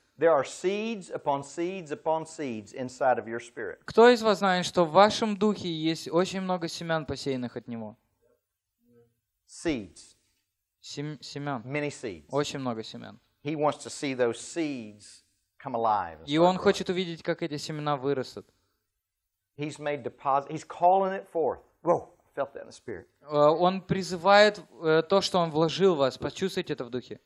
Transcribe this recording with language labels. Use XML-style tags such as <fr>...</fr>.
<en>There are seeds upon seeds upon seeds inside of your spirit.</en> <ru>Кто из вас знает, что в вашем духе есть очень много семян, посеянных от него?</ru> <en>Seeds.</en> <ru>Семян.</ru> <en>Many seeds.</en> <ru>Очень много семян.</ru> <en>He wants to see those seeds come alive.</en> <ru>И он хочет увидеть, как эти семена вырастут.</ru> <en>He's made deposit. He's calling it forth. Whoa, I felt that in the spirit.</en> <ru>Он призывает то, что он вложил в вас. Почувствуйте это в духе.</ru>